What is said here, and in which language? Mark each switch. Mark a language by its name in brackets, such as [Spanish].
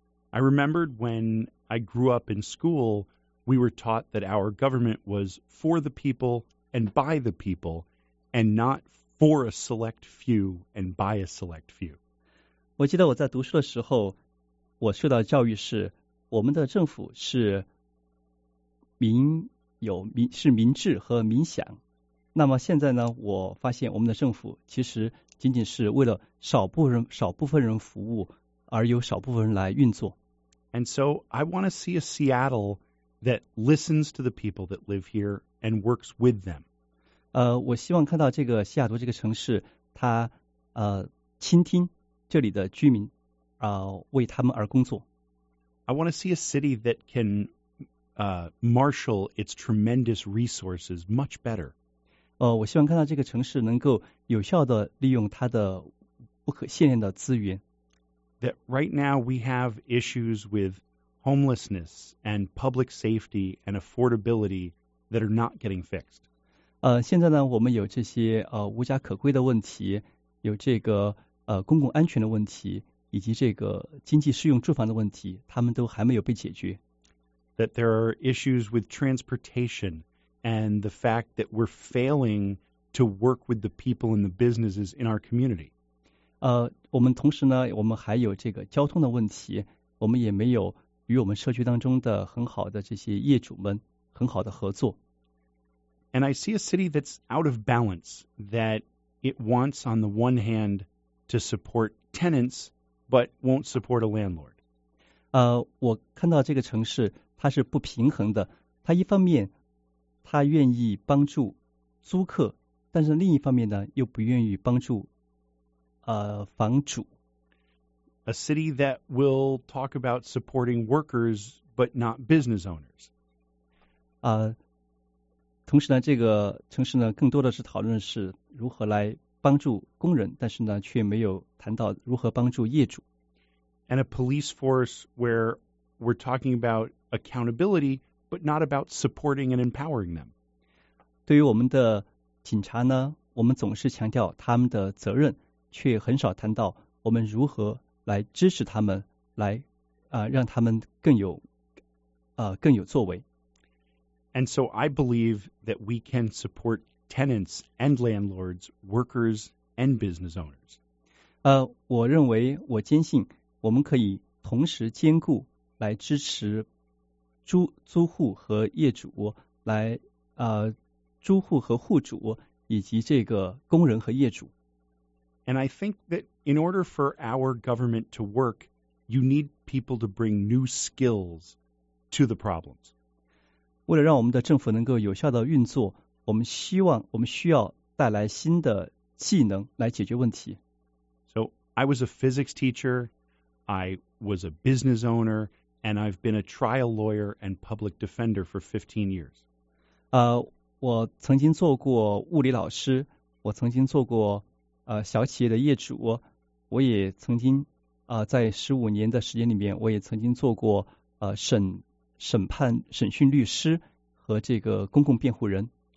[English] I remembered when I grew up in school, we were taught that our government was for the people and by the people, and not for a select few and by a select few. [Chinese] 我记得我在读书的时候，我受到教育是我们的政府是民智和民享。那么现在呢，我发现我们的政府其实仅仅是为了少部分人服务，而由少部分人来运作。 [English] And so I want to see a Seattle that listens to the people that live here and works with them. [Chinese] 我希望看到这个西雅图这个城市，它倾听这里的居民。为他们而工作。 [English] I want to see a city that can marshal its tremendous resources much better. [Chinese] 我希望看到这个城市能够有效地利用它的不可限量的资源。 [English] That right now we have issues with homelessness and public safety and affordability that are not getting fixed. [Chinese] 现在呢，我们有这些无家可归的问题，有这个公共安全的问题。以及这个经济适用住房的问题，他们都还没有被解决。 [English] That there are issues with transportation and the fact that we're failing to work with the people and the businesses in our community. [Chinese] 我们同时呢，我们还有这个交通的问题，我们也没有与我们社区当中的很好的这些业主们很好的合作。 [English] And I see a city that's out of balance, that it wants on the one hand to support tenants,but won't support a landlord. [Chinese] 我看到这个城市它是不平衡的，它一方面它愿意帮助租客，但是另一方面呢又不愿意帮助房主。 [English] A city that will talk about supporting workers but not business owners. [Chinese] 同时呢，这个城市呢，更多的是讨论是如何来帮助工人，但是呢，却没有谈到如何帮助业主。 [English] And a police force where we're talking about accountability, but not about supporting and empowering them. [Chinese] 对于我们的警察呢，我们总是强调他们的责任，却很少谈到我们如何来支持他们，来让他们更有作为。 [English] And so I believe that we can support tenants and landlords, workers and business owners. [Chinese] 我认为，我坚信我们可以同时兼顾来支持租户和业主，来租户和户主以及这个工人和业主。 [English] And I think that in order for our government to work, you need people to bring new skills to the problems. [Chinese] 为了让我们的政府能够有效的运作，我们需要带来新的技能来解决问题。 [English] So I was a physics teacher, I was a business owner, and I've been a trial lawyer and public defender for 15 years. [Chinese] 我曾经做过物理老师，我曾经做过小企业的业主，我也曾经在15年的时间里面，我也曾经做过审讯律师和这个公共辩护人。